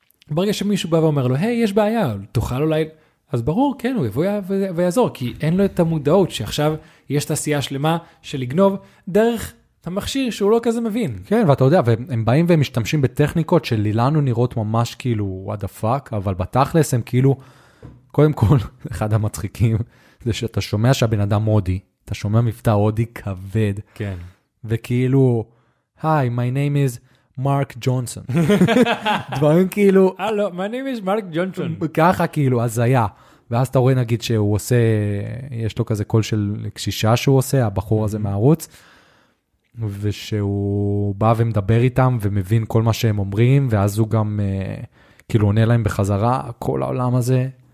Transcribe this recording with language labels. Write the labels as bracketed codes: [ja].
[he] ברגע שמישהו בא ואומר לו, היי, יש בעיה, תוכל אולי... אז ברור, כן, הוא יבוא ויעזור, כי אין לו את המודעות שעכשיו יש תעשייה שלמה של לגנוב דרך המכשיר שהוא לא כזה מבין. כן, ואתה יודע, והם באים והם משתמשים בטכניקות שלילנו נראות ממש כאילו, [en] what the fuck, [he] אבל בתכלס הם כאילו, קודם כל, אחד המצחיקים, זה שאתה שומע שהבן אדם הודי, אתה שומע מבטא הודי כבד. כן. וכאילו, [en] hi, my name is Mark Johnson. [he] דברים כאילו, הלו, [en] my name is Mark Johnson. [he] ככה כאילו, אז היה. ואז אתה רואה נגיד שהוא עושה, יש לו כזה קול של קשישה שהוא עושה, הבחור הזה מהערוץ, ושהוא בא ומדבר איתם ומבין כל מה שהם אומרים, ואז הוא גם כאילו עונה להם בחזרה, כל העולם הזה.